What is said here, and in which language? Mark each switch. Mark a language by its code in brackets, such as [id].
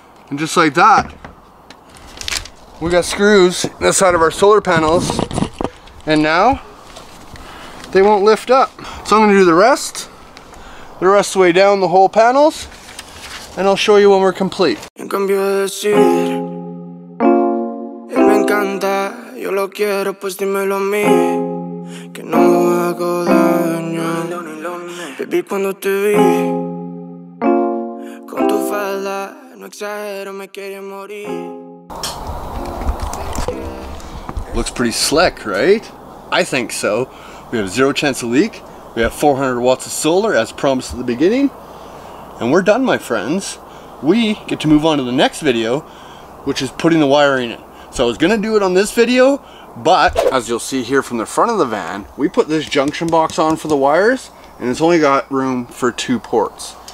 [en] And just like that, we got screws in the side of our solar panels. And now, they won't lift up. So I'm gonna do the rest of the way down the whole panels, and I'll show you when we're complete. [es] En cambio de decir, él me encanta, yo lo quiero, pues dímelo a mí, que no hago daño. Baby, cuando te vi, con tu falda, no exagero, me quería morir. [en] Looks pretty slick, right? I think so. We have zero chance of leak. We have 400 watts of solar as promised at the beginning. And we're done, my friends. We get to move on to the next video, which is putting the wiring in. So I was gonna do it on this video, but as you'll see here from the front of the van, we put this junction box on for the wires and it's only got room for two ports.